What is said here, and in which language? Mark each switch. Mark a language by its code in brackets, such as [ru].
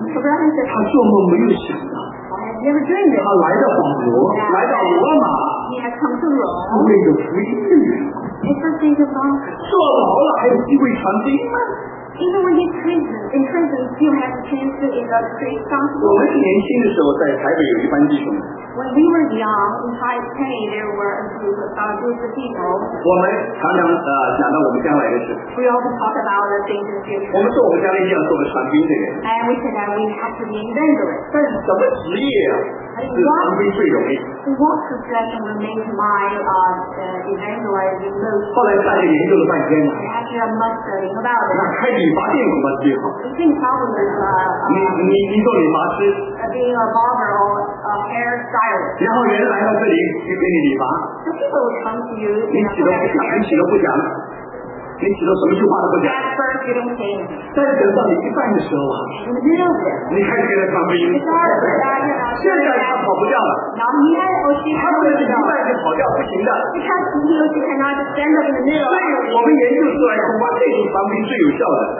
[en] So brothers and sisters, he never dreamed it. [zh] 成为有福音的人。 [en] It's a state of honor. [zh] 坐牢了还有机会传福音吗？ [en] Even when he's in prison, he still has a chance to illustrate gospel. [zh] 我们年轻的时候在台北有一班弟兄。 [en] When we were young, in Taipei, there were a group of people. [zh] 我们常常讲到我们将来的事。 [en] We also talk about the things in future. [zh] 我们说我们将来一定要做个传福音的人。 [en] And we said that we have to be evangelists. [zh] 什么职业啊？是传福音最容易。 [en] What profession would make my evangelist the most? [zh] 后来再研究了半天。 [en] After much studying about it. [zh] 你发现什么最好？你做理发师。 [en] Being a barber or a hair stylist. [zh] 然后人来到这里去给你理发。 [en] The people will come to you. [zh] 你起都不讲。你起到什么句话都不讲。 [en] At first you don't say anything. [zh] 但等到你一半的时候啊。 [en] In the middle of it. [zh] 你开始给他传福音。现在他跑不掉了。 [en] Now he has or she has to go. [zh] 他不能一半就跑掉，不行的。 [en] Because he or she cannot stand up in the middle. [zh] 所以我们研究出来恐怕这种传福音最有效的。